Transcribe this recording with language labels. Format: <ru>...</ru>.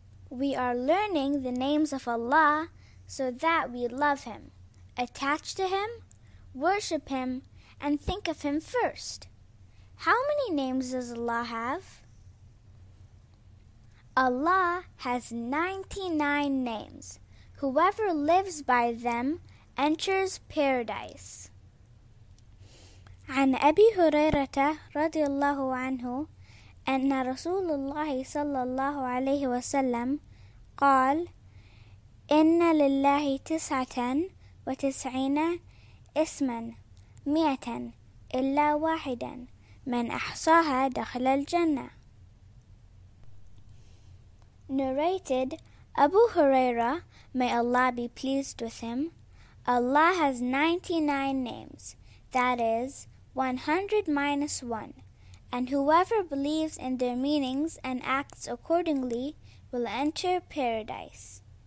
<en>We are learning the names of Allah so that we love Him, attach to Him, worship Him, and think of Him first. How many names does Allah have? Allah has 99 names. Whoever lives by them enters paradise.</en> <ar>عن أبي هريرة رضي الله عنه أن رسول الله صلى الله عليه وسلم قال إن لله 99 اسما 100 إلا واحدا من أحصاها دخل الجنة.</ar> <en>Narrated, Abu Huraira, may Allah be pleased with him, Allah has 99 names, that is, 100 minus 1, and whoever believes in their meanings and acts accordingly will enter paradise.</en>